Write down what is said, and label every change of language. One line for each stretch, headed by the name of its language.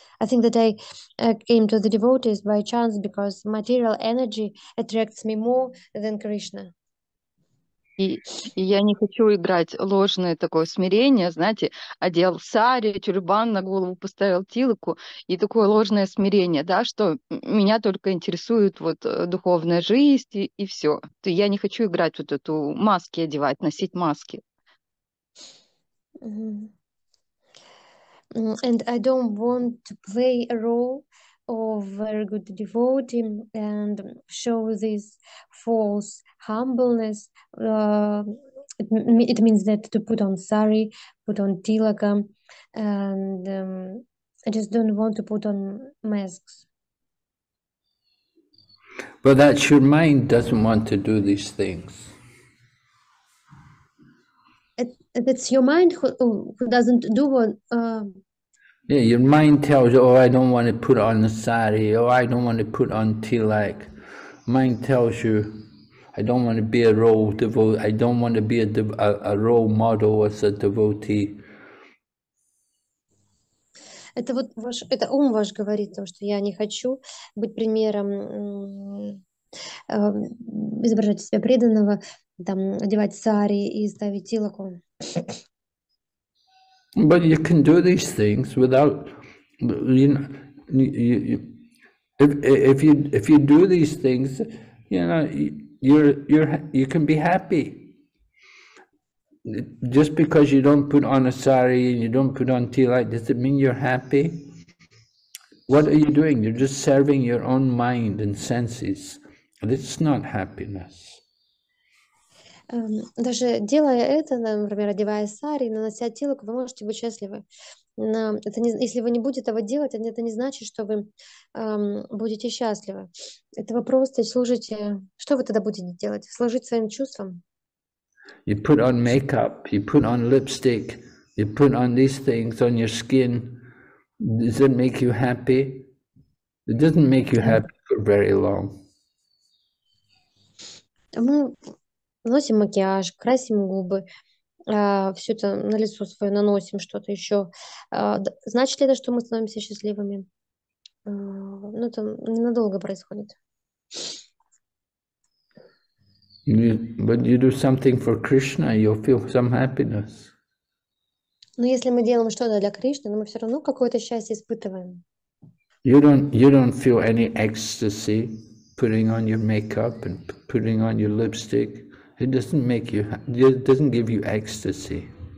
English: I think that I came to the devotees by chance because material energy attracts me more than Krishna.
Russian: И я не хочу играть ложное такое смирение, знаете, одел сари, тюрбан на голову, поставил тилаку, и такое ложное смирение, да, что меня только интересует вот духовная жизнь и все. То я не хочу играть вот эту маски одевать, носить маски.
English: And I don't want to play a role of very good devotee and show this false humbleness. It means that to put on sari, put on tilaka, and I just don't want to put on masks. But that's your mind doesn't want to do these things. That's your mind who doesn't do what... Yeah, your mind tells you, oh, I don't want to put on the sari, oh, I don't want to put on tilak. Mind tells you, I don't want to be a role devotee, I don't want to be a role model as a devotee.
Russian: Это вот ваш, это ум ваш говорит, то, что я не хочу быть примером, изображать себя преданного, там, одевать сари и ставить тилаку.
English: But you can do these things without, if you do these things, you can be happy. Just because you don't put on a sari and you don't put on tea light, does it mean you're happy? What are you doing? You're just serving your own mind and senses. It's not happiness.
Russian: Даже делая это, например, одевая сари, нанося тилаку, вы можете быть счастливы. Но это не, если вы не будете этого делать, это не значит, что вы будете счастливы. Это вы просто служите. Что вы тогда будете делать? Служить своим чувствам?
English: You put on makeup, you put on lipstick, you put on these things on your skin. Does it make you happy? It doesn't make you happy for very long.
Russian: Наносим макияж, красим губы, все это на лицо свое наносим, что-то еще. Значит ли это, что мы становимся счастливыми? Ну, это ненадолго происходит.
English: But you do something for Krishna, you'll feel some happiness.
Russian: Но если мы делаем что-то для Кришны, мы все равно какое-то счастье испытываем.
English: You don't feel any ecstasy putting on your makeup and putting on your lipstick. It doesn't make you, it doesn't give you ecstasy.